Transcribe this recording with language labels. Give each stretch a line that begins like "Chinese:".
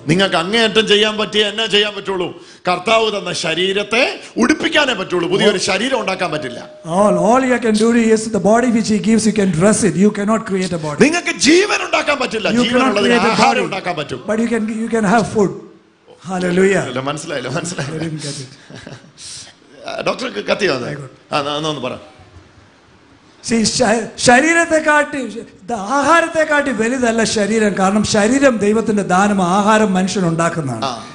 Malayalam: നിങ്ങൾക്ക് അങ്ങേയറ്റം ചെയ്യാൻ പറ്റിയ എന്നാ ചെയ്യാൻ പറ്റുള്ളൂ, കർത്താവ് തന്ന ശരീരത്തെ ഉടുപ്പിക്കാനേ പറ്റുള്ളൂ, പുതിയൊരു ശരീരം ഉണ്ടാക്കാൻ പറ്റില്ല.
English: All you can do is the body which he gives, you can dress it. You cannot create a body.
Malayalam: നിങ്ങൾക്ക് ജീവൻ ഉണ്ടാക്കാൻ പറ്റില്ല, ജീവനുള്ളതിനെ ആഹാരം ഉണ്ടാക്കാൻ പറ്റും.
English: But you can have food. Hallelujah.
Malayalam: ഇല്ല മനസ്സിലായില്ല.
English: I didn't get it.
Malayalam: ഡോക്ടർക്ക് കത്തി വന്നു ഒന്ന് പറ. ആഹാരത്തെക്കാട്ടി വലുതല്ല ശരീരം, കാരണം ശരീരം ദൈവത്തിന്റെ ദാനം, ആഹാരം മനുഷ്യൻ ഉണ്ടാക്കുന്നതാണ്.